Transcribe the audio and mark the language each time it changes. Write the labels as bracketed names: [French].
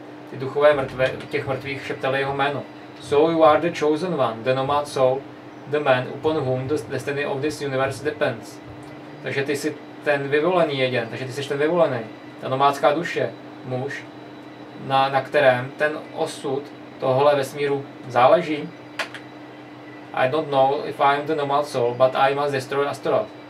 [Czech] Ty duchové těch mrtvých šeptali jeho jméno. [English] So you are the chosen one, the nomad soul, the man upon whom the destiny of this universe depends. [Czech] Takže ty jsi ten vyvolený jeden, takže ty jsi ten vyvolený. Ta nomádská duše, muž, na kterém ten osud tohle vesmíru záleží. [English] I don't know if I am the nomad soul, but I must destroy Astaroth.